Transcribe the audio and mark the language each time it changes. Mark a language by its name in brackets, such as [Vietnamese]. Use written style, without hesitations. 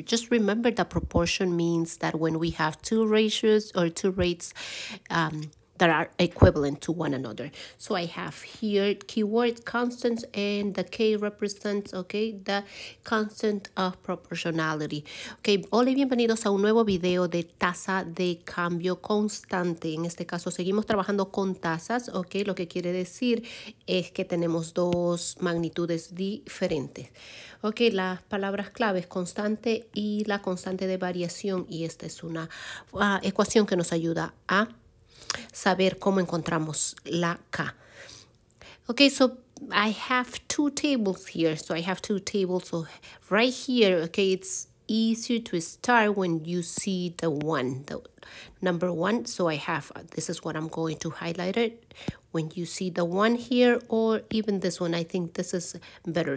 [English] Just remember that proportion means that when we have two ratios or two rates that are equivalent to one another. So I have here keyword constant, and the K represents, okay, the constant of proportionality. [Spanish] Okay, hola y bienvenidos a un nuevo video de tasa de cambio constante. En este caso seguimos trabajando con tasas, okay, lo que quiere decir es que tenemos dos magnitudes diferentes. Okay, las palabras claves, constante y la constante de variación, y esta es una ecuación que nos ayuda a saber cómo encontramos la K. [English] Okay, so I have two tables here. So I have two tables. So right here, okay, it's easier to start when you see the one, the number one. So I have, this is what I'm going to highlight it. When you see the one here, or even this one, I think this is better.